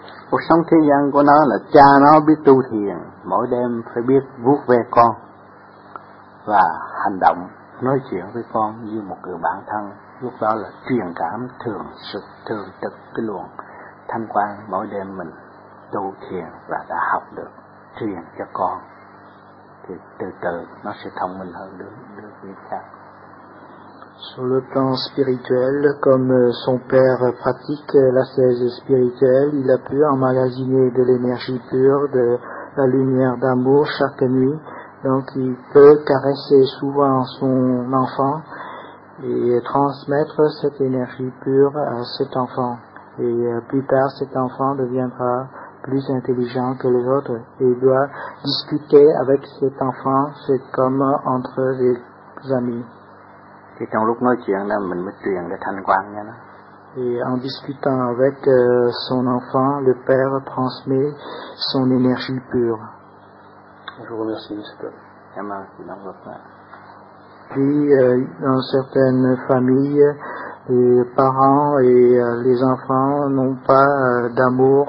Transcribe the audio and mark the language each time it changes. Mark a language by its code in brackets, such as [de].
[vi] Cuộc sống thế gian của nó là cha nó biết tu thiền, mỗi đêm phải biết vuốt ve con và hành động nói chuyện với con như một người bạn thân. Lúc đó là truyền cảm thường trực cái luồng thanh quang mỗi đêm mình tu thiền và đã học được truyền cho con, thì từ từ nó sẽ thông minh hơn được người khác. [fr] Sur le plan spirituel, comme son père pratique l'ascèse spirituelle, il a pu emmagasiner de l'énergie pure, de la lumière d'amour chaque nuit. Donc il peut caresser souvent son enfant et transmettre cette énergie pure à cet enfant. Et plus tard, cet enfant deviendra plus intelligent que les autres et doit discuter avec cet enfant, c'est comme entre des amis. [vi] Thì trong lúc nói chuyện là mình mới truyền cái thanh quang cho nó. [fr] Et en discutant avec son enfant, le père transmet son énergie pure. Je vous remercie, monsieur. Merci, dans votre main. Puis, dans certaines familles, les parents et les enfants n'ont pas d'amour.